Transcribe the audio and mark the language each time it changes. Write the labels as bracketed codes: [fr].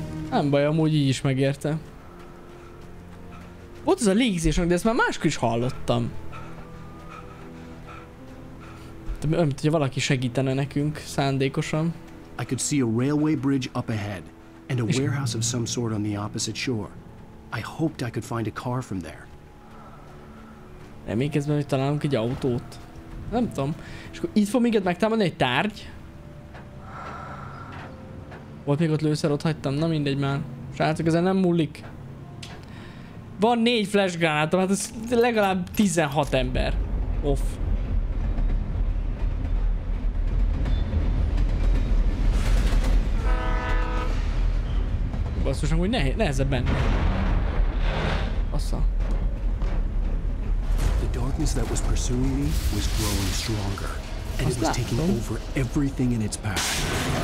[hu] Nem baj, amúgy így is megérte. Volt ez a légzés, de ezt már máskor is hallottam. Mint hogyha valaki segítene nekünk szándékosan. [en] I could see a railway bridge up ahead and a warehouse of some sort on the opposite shore. I hoped I could find a car from there. [hu] Emlékezben, hogy találunk egy autót. Nem tudom. És akkor itt fog minket megtámadni egy tárgy? Volt még ott lőszer, ott hagytam. Na mindegy már. Srácok, ezen nem múlik. Van 4 flash gránátom, hát ez legalább 16 ember. Off. Basszus, amúgy nehezebben. Assza. [en] The darkness that was pursuing me was growing stronger, and it was taking over everything in its path.